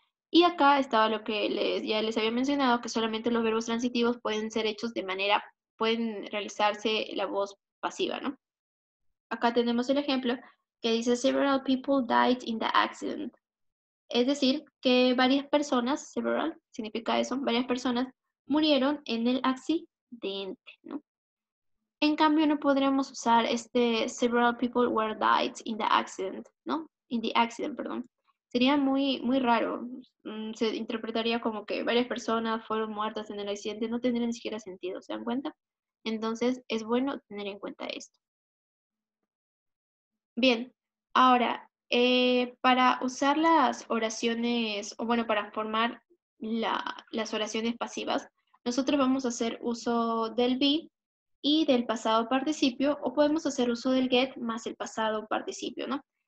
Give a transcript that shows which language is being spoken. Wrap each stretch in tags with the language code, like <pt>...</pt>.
<es>Y acá estaba lo que ya les había mencionado, que solamente los verbos transitivos pueden ser hechos de manera, pueden realizarse la voz pasiva, ¿no? Acá tenemos el ejemplo que dice,</es> <en>several people died in the accident.</en> <es>Es decir, que varias personas, several significa eso, varias personas murieron en el accidente, ¿no? En cambio, no podríamos usar este</es> <en>several people were died in the accident, ¿no? In the accident, perdón.</en> <es>Sería muy, muy raro, se interpretaría como que varias personas fueron muertas en el accidente, no tendría ni siquiera sentido, ¿se dan cuenta? Entonces, es bueno tener en cuenta esto. Bien, ahora, para usar las oraciones, o bueno, para formar las oraciones pasivas, nosotros vamos a hacer uso del be y del pasado participio, o podemos hacer uso del get más el pasado participio, ¿no?</es>